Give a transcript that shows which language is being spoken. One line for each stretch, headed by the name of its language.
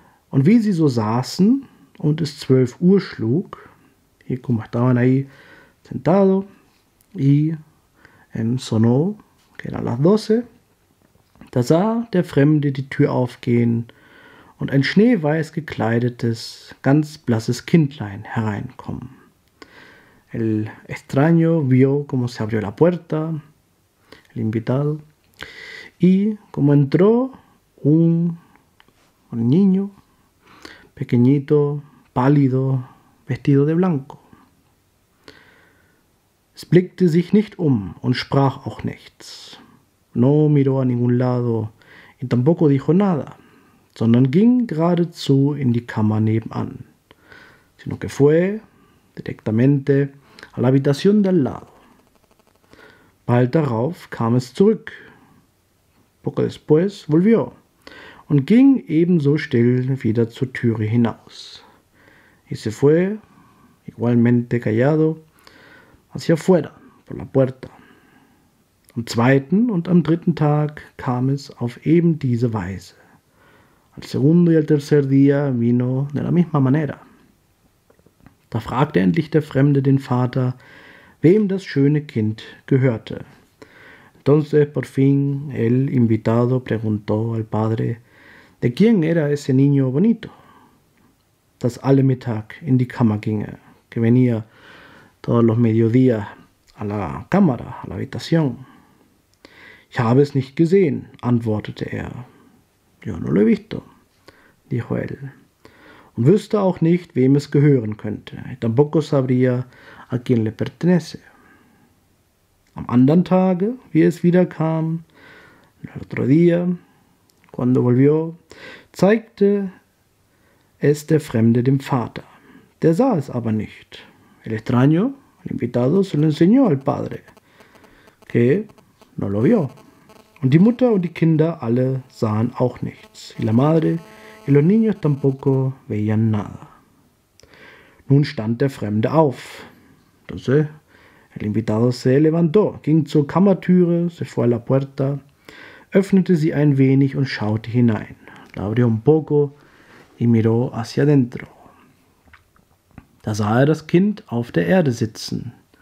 German: Und wie sie so saßen und es 12 Uhr schlug,
Spanish: y como estaban ahí sentado, y sonó, que eran las 12,
German: da sah der Fremde die Tür aufgehen und ein schneeweiß gekleidetes, ganz blasses Kindlein hereinkommen.
Spanish: El extraño vio cómo se abrió la puerta, el invitado, y cómo entró un niño pequeñito, pálido, vestido de blanco.
German: Es blickte sich nicht um und sprach auch nichts.
Spanish: No miró a ningún lado y tampoco dijo nada,
German: sondern ging geradezu in die Kammer nebenan,
Spanish: sino que fue directamente a la habitación de al lado.
German: Bald darauf kam es zurück.
Spanish: Poco después volvió
German: und ging ebenso still wieder zur Türe hinaus.
Spanish: Y se fue, igualmente callado, hacia afuera, por la puerta.
German: Am zweiten und am dritten Tag kam es auf eben diese Weise.
Spanish: Al segundo y al tercer día vino de la misma manera.
German: Da fragte endlich der Fremde den Vater, wem das schöne Kind gehörte.
Spanish: Entonces, por fin, el invitado preguntó al padre, de quién era ese niño bonito,
German: das alle Mittag in die Kammer ginge,
Spanish: que venía todos los mediodías a la cámara, a la habitación.
German: Ich habe es nicht gesehen, antwortete er.
Spanish: Yo no lo he visto, dijo él.
German: Und wüsste auch nicht, wem es gehören könnte.
Spanish: Tampoco sabría a quien le pertenece.
German: Am anderen Tage, wie es wieder kam,
Spanish: el otro día, cuando volvió,
German: zeigte es der Fremde dem Vater. Der sah es aber nicht.
Spanish: El extraño, el invitado, se lo enseñó al padre, que no lo vio.
German: Und die Mutter und die Kinder alle sahen auch nichts.
Spanish: Y la madre y los niños tampoco veían nada.
German: Nun stand der Fremde auf.
Spanish: Entonces, el invitado se levantó,
German: ging zur Kammertüre,
Spanish: se fue a la puerta,
German: öffnete sie ein wenig und schaute hinein.
Spanish: La abrió un poco y miró hacia adentro.
German: Da sah er das Kind auf der Erde sitzen.